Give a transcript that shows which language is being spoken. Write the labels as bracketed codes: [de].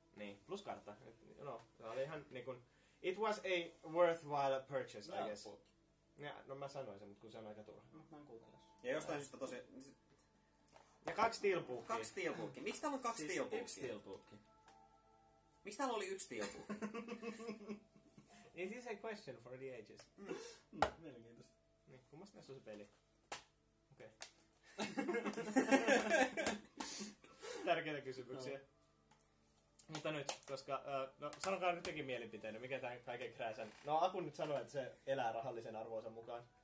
[fi] Niin, plus kartta. No, se oli ihan niin kuin, [en] it was a worthwhile purchase, no, I guess. [fi] Ja, no mä sanoin sen, mutta kun se on aika turha. Mä en kuuntele. Ja jostain syystä tosi... Ja kaksi tilpuukkiä. Kaksi tilpuukkiä. Miksi täällä on kaksi tilpuukkiä? Siis yksi tilpuukki. Miksi täällä oli yksi tilpuukki? [en] It is a question for the ages. [fi] Mielenkiintoista. Niin, kummasta näissä on se peli? Okei. Okay. Tärkeitä kysymyksiä. No. Mutta nyt, koska... no, sanokaa nyt jokin mielipiteinen, mikä tämän kaiken krääsän... No, Aku nyt sanoi, että se elää rahallisen arvoisen mukaan.